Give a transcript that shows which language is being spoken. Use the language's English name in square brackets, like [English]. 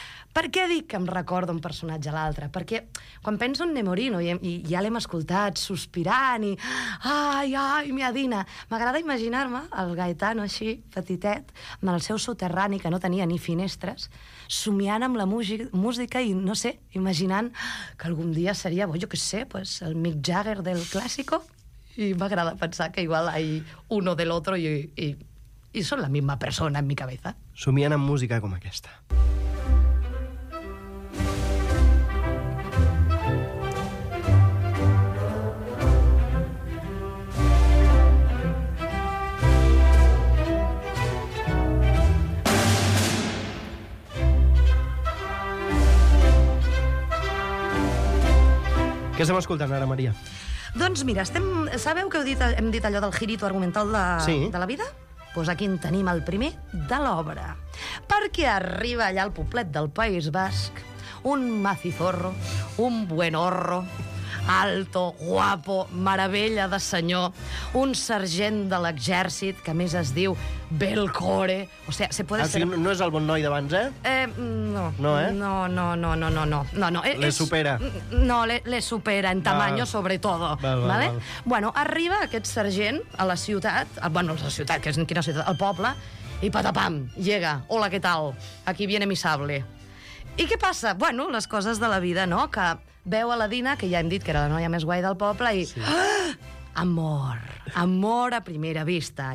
[Catalan] Per què dic que em recordo un personatge a l'altre? Perquè quan penso en Nemorino i ja l'hem escoltat sospirant i... Ai, ai, miadina! M'agrada imaginar-me el Gaetano així, petitet, en el seu soterrani, que no tenia ni finestres, somiant amb la música i, no sé, imaginant que algun dia seria, bo, jo què sé, pues, el Mick Jagger del clàssico. I m'agrada pensar que [Spanish] igual hay uno del otro y son la misma persona en mi cabeza. [Catalan] Somiant amb música com aquesta. Què estem escoltant ara, Maria? Doncs mira, sabeu que hem dit allò del girito argumental de, sí, de la vida? Doncs aquí en tenim el primer de l'obra. Perquè arriba allà al poblet del País Basc un maciforro, [Spanish] un buenorro, alto, guapo, [Catalan] meravella de senyor, un sergent de l'exèrcit, que a més es diu Belcore. [Spanish] O sea, se puede ser... [Catalan] No és el bon noi d'abans, No. No, eh? No. [Spanish] Le supera. No, le supera en tamaño, sobre todo. Vale? [Catalan] Bueno, arriba aquest sergent a la ciutat, bueno, la ciutat, que és quina ciutat, al poble, i patapam, [Spanish] llega. [Catalan] Hola, què tal? [Spanish] Aquí viene mi sable. [Catalan] I què passa? Bueno, les coses de la vida, no? Que veu a la Dina, que ja hem dit que era la noia més guai del poble, i... Sí. Ah! Amor. Amor a primera vista.